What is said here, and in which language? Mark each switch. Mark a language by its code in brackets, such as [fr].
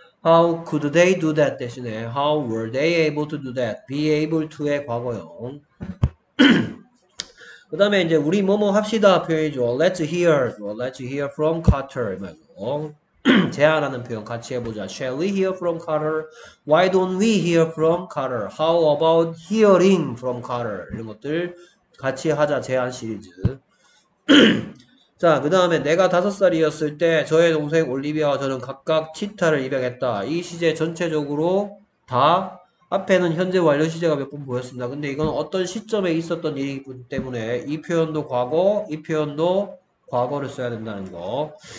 [en] How could they do that [ko] 대신에 [en] How were they able to do that? Be able to [ko] 의 과거형. 그다음에 이제 우리 뭐뭐 합시다 표현이죠. [en] Let's hear from Carter [ko] 제안하는 표현 같이 해보자. [en] Shall we hear from Carter? Why don't we hear from Carter? How about hearing from Carter? [ko] 이런 것들 같이 하자 제안 시리즈. 자, 그 다음에 내가 5살이었을 때 저의 동생 올리비아와 저는 각각 치타를 입양했다. 이 시제 전체적으로 다 앞에는 현재 완료 시제가 몇번 보였습니다. 근데 이건 어떤 시점에 있었던 일이기 때문에 이 표현도 과거, 이 표현도 과거를 써야 된다는 거.